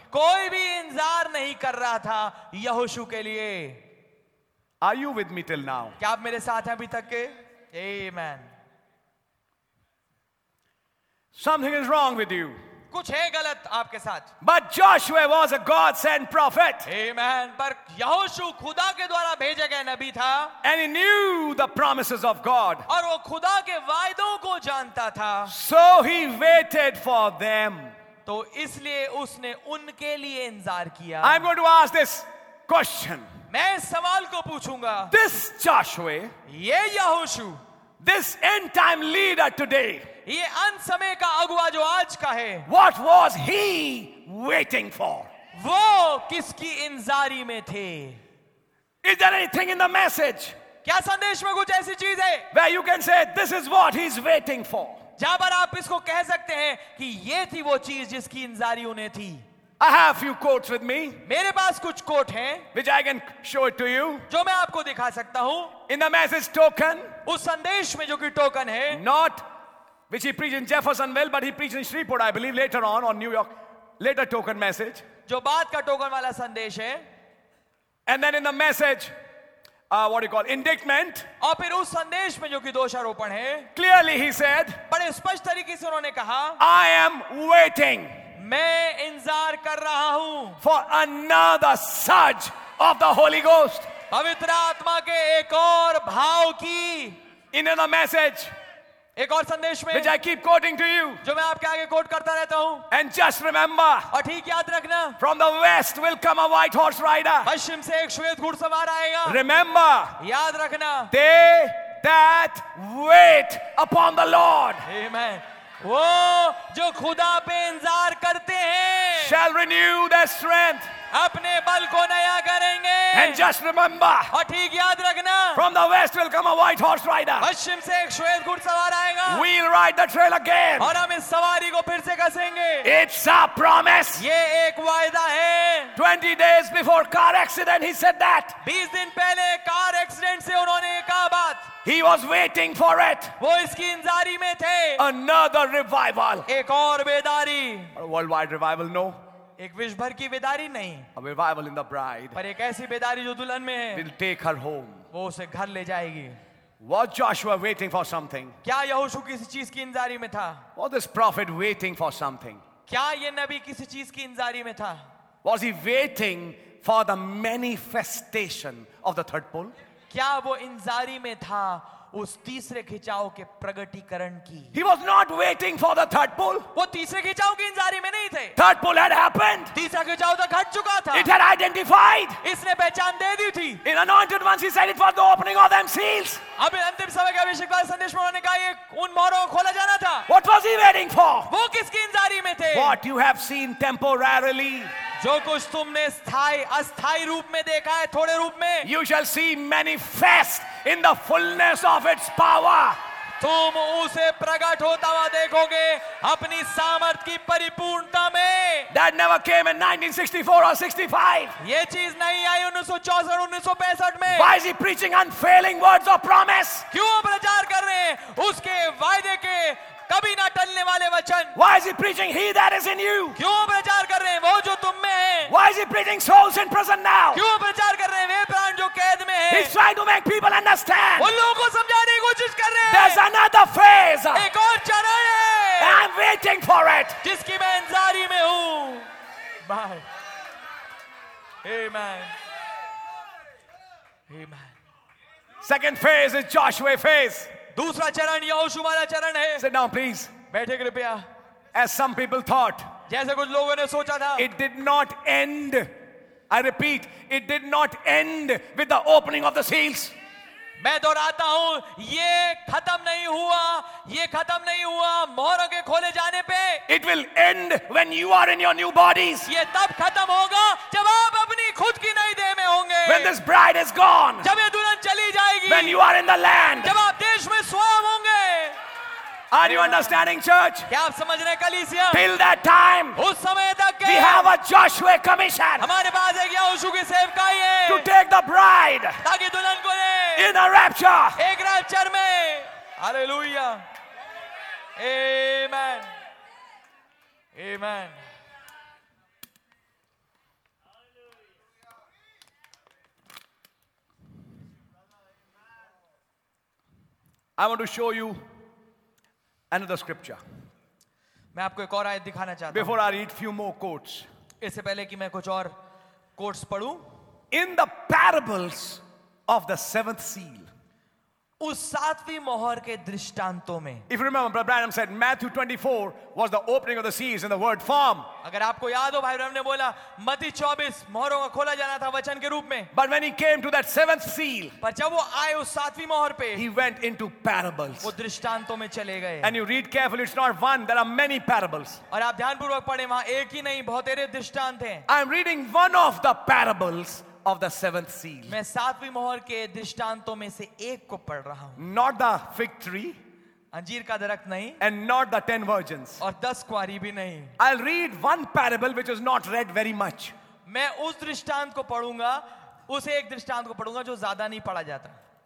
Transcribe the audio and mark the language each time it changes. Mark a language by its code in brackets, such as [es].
[hi] कोई भी इंतजार नहीं कर रहा था यहोशू के लिए. [en] Are you with me till now? [hi] क्या आप मेरे साथ हैं अभी तक के? [en] Amen. Something is wrong with you. [hi] कुछ है गलत आपके साथ. [en] But Joshua was a God sent prophet. Amen. [hi] पर यहोशू खुदा के द्वारा भेजे गए नबी था. [en] And he knew the promises of God. [hi] और वो खुदा के वायदों को जानता था. [en] So he waited for them. [hi] तो इसलिए उसने उनके लिए इंतजार किया. [en] I'm going to ask this question. [hi] मैं इस सवाल को पूछूंगा. [en] This Joshua. [hi] ये यहोशू. [en] This end time leader today. [hi] ये अंत समय का अगुआ जो आज का है. [en] What was he waiting for? [hi] वो किसकी इंतजारी में थे? [en] Is there anything in the message? [hi] क्या संदेश में कुछ ऐसी चीज है? [en] Where you can say this is what he's waiting for. [hi] जहां पर आप इसको कह सकते हैं कि ये थी वो चीज जिसकी इंतजारी उन्हें थी. [en] I have a few quotes with me. [hi] मेरे पास कुछ कोट हैं. [en] Which I can show it to you. [hi] जो मैं आपको दिखा सकता हूं. [en] In the message token. [hi] उस संदेश में जो कि टोकन है. [en] Not which he preached in Jeffersonville, but he preached in Shreveport, I believe, later on New York, later token message. [hi] जो बात का टोकन वाला संदेश है. [en] And then in the message, what do you call, indictment. [hi] और फिर उस संदेश में जो कि दोषारोपण है. [en] Clearly he said. [hi] बड़े स्पष्ट तरीके से उन्होंने कहा. [en] I am waiting. [hi] मैं इंतजार कर रहा हूं. [en] For another surge of the Holy Ghost. [hi] पवित्र आत्मा के एक और भाव की. [en] In another message. [hi] एक और संदेश में. [en] Which I keep quoting to you. [hi] जो मैं आपके आगे कोट करता रहता हूं. [en] And just remember. [hi] और ठीक याद रखना. [en] From the west will come a white horse rider. [hi] पश्चिम से एक श्वेत घुड़सवार आएगा. [en] Remember. [hi] याद रखना. [en] They that wait upon the Lord. Amen. [hi] वो जो खुदा पे इंतजार करते हैं. [en] Shall renew their strength. [hi] अपने बल को नया करेंगे. [en] And just remember. [hi] और ठीक याद रखना. [en] From the west will come a white horse rider. [hi] पश्चिम से एक श्वेत घुड़सवार आएगा. [en] We'll ride the trail again. [hi] और हम इस सवारी को फिर से कसेंगे. [en] It's a promise. [hi] ये एक वायदा है. [en] 20 days before car accident he said that. [hi] 20 दिन पहले कार एक्सीडेंट से उन्होंने कहा बात. [en] He was waiting for it. [hi] वो इसकी इंतजारी में थे. [en] Another revival. [hi] एक और बेदारी. [en] A worldwide revival, no. [hi] एक विश्व भर की बेदारी नहीं. [en] A revival in the bride. [hi] पर एक ऐसी बेदारी जो दुल्हन में है. [en] Will take her home. [hi] वो उसे घर ले जाएगी. [en] Was Joshua waiting for something? [hi] क्या यहोशू किसी चीज की इंतजारी में था? [en] Was this prophet waiting for something? [hi] क्या ये नबी किसी चीज की इंतजारी में था? [en] Was he waiting for the manifestation of the third pole? [hi] क्या वो इंतजारी में था उस तीसरे खिंचाव के प्रगटीकरण की? [en] He was not waiting for the third pole. [hi] वो तीसरे खिंचाव की इंतजारी में नहीं थे. [en] Third pole had happened. [hi] तीसरा खिंचाव तो घट चुका था. [en] It had identified. [hi] इसने पहचान दे दी थी. [en] In anointed ones, he said it for the opening of them seals. [hi] अभी अंतिम समय के अभिषेक वाले संदेश में उन्होंने कहा ये उन मोहरों को खोला जाना था. [en] What was he waiting for? [hi] वो किसकी इंतजारी में थे? [en] What you have seen temporarily. [hi] जो कुछ तुमने स्थाई अस्थाई रूप में देखा है थोड़े रूप में. [en] You shall see manifest in the fullness of its power. [hi] तुम उसे प्रकट होता हुआ देखोगे अपनी सामर्थ की परिपूर्णता में. [en] That never came in 1964 or 65. [hi] ये चीज नहीं आई 1964-1965 में. [en] Why is he preaching unfailing words of promise? [hi] क्यों प्रचार कर रहे हैं उसके वायदे के कभी ना टलने वाले वचन? [en] Why is he preaching he that is in you? [hi] क्यों प्रचार कर रहे हैं वो जो तुम में है? [en] Why is he preaching souls in prison now? [hi] क्यों प्रचार कर रहे हैं वे प्राण जो कैद में है? [en] He's trying to make people understand. [hi] उन लोगों को समझाने की कोशिश कर रहे हैं. [en] There's another phase. [hi] एक और चरण है. [en] I'm waiting for it. [hi] जिसकी मैं इंतजारी में हूँ. [en] Bye. Amen. Amen. Second phase is Joshua phase. [hi] दूसरा चरण यहोशू वाला चरण है. [en] Sit down, please. [hi] बैठे कृपया. [en] As some people thought. [hi] जैसे कुछ लोगों ने सोचा था. [en] It did not end. I repeat, it did not end with the opening of the seals. [hi] मैं दोहराता हूं ये खत्म नहीं हुआ. ये खत्म नहीं हुआ मोहरों के खोले जाने पे. [en] It will end when you are in your new bodies. [hi] ये तब खत्म होगा जब आप अपनी खुद की नई देह में होंगे. [en] When this bride is gone. [hi] जब ये दुल्हन चली जाएगी. [en] When you are in the land. [hi] जब आप देश में स्वयं होंगे. [en] Are you understanding, church? [hi] क्या आप समझ रहे कलीसिया? [en] Till that time, [hi] उस समय तक [en] we have a Joshua commission. [hi] हमारे पास एक यहोशू की सेवकाई है. [en] To take the bride. [hi] ताकि दुल्हन को ले. [en] In a rapture. [hi] एक रैप्चर में. [en] Hallelujah. Amen. Amen. I want to show you. Another scripture. [hi] मैं आपको एक और आयत दिखाना चाहता हूँ. [en] Before I read few more quotes. [hi] इससे पहले कि मैं कुछ और quotes पढूं. [en] In the parables of the seventh seal. [hi] उस सातवीं मोहर के दृष्टांतों में. [en] If you remember, Brother Branham said Matthew 24 was the opening of the seals in the word form. [hi] अगर आपको याद हो भाई ब्रैनम ने बोला मत्ती 24 मोहरों का खोला जाना था वचन के रूप में. [en] But when he came to that seventh seal, [hi] पर जब वो आए उस सातवीं मोहर पे, [en] he went into parables. [hi] वो दृष्टांतों में चले गए. [en] And you read carefully, it's not one, there are many parables. [hi] और आप ध्यानपूर्वक पढ़ें वहाँ एक ही नहीं बहुत सारे दृष्टांत हैं. [en] I am reading one of the parables of the seventh seal. [hi] मैं सातवीं मोहर के दृष्टांतों में से एक को पढ़ रहा हूँ. [en] Not the fig tree. [hi] अंजीर का दरख्त नहीं. [en] And not the 10 virgins. [hi] और 10 कुंवारी भी नहीं. [en] I'll read one parable which is not read very much. [hi] मैं उस दृष्टांत को पढ़ूंगा उस एक दृष्टांत को पढ़ूंगा जो ज्यादा नहीं पढ़ा जाता.